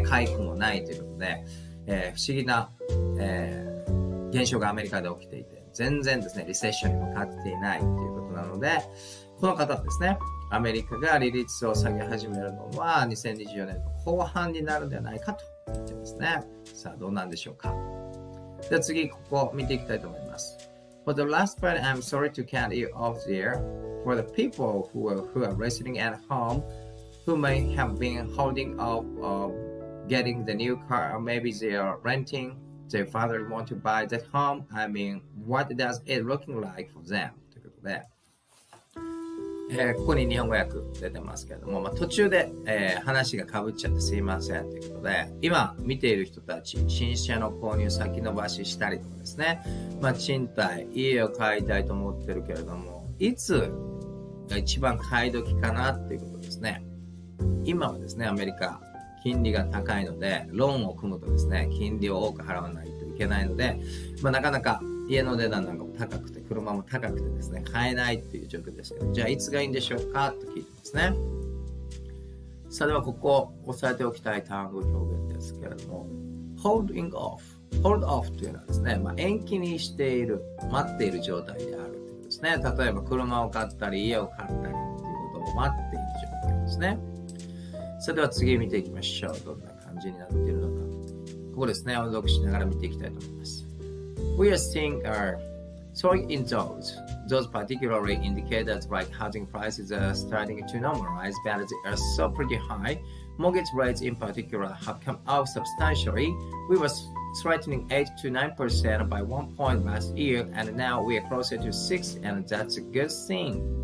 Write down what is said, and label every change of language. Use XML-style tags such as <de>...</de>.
<ja>解雇もないということで、不思議な、現象がアメリカで起きていて、全然ですね、リセッションに向かっていないということなので、この方ですね、アメリカが利率を下げ始めるのは2024年の後半になるんではないかと言ってますね。さあ、どうなんでしょうか。じゃあ次、ここを見ていきたいと思います。</ja> <en>For the last part, I'm sorry to cut you off there. For the people who are listening at home, who may have been holding off of getting the new car, or maybe they are rentingThe father want to buy that home. I mean, what does it looking like for them?</en> <ja>ということで、ここに日本語訳出てますけれども、まあ、途中で、話が被っちゃってすいませんということで、今見ている人たち、新車の購入先延ばししたりとかですね、まあ、賃貸、家を買いたいと思ってるけれども、いつが一番買い時かなということですね。今はですね、アメリカ金利が高いのでローンを組むとですね、金利を多く払わないといけないので、まあ、なかなか家の値段なんかも高くて、車も高くてですね、買えないっていう状況ですけど、じゃあいつがいいんでしょうかと聞いてますね。さあ、ではここを押さえておきたい単語表現ですけれども、 holding off、 hold off というのはですね、まあ、延期にしている、待っている状態であるということですね。例えば車を買ったり家を買ったりということを待っている状況ですね。それでは次見ていきましょう。どんな感じになっているのか。ここですね。音読しながら見ていきたいと思います。</ja> <en>We are seeing a soaring in those. Those particularly indicate that like housing prices are starting to normalize, but they are still pretty high. Mortgage rates in particular have come up substantially. We were threatening 8 to 9% by one point last year, and now we are closer to 6, and that's a good thing.</en>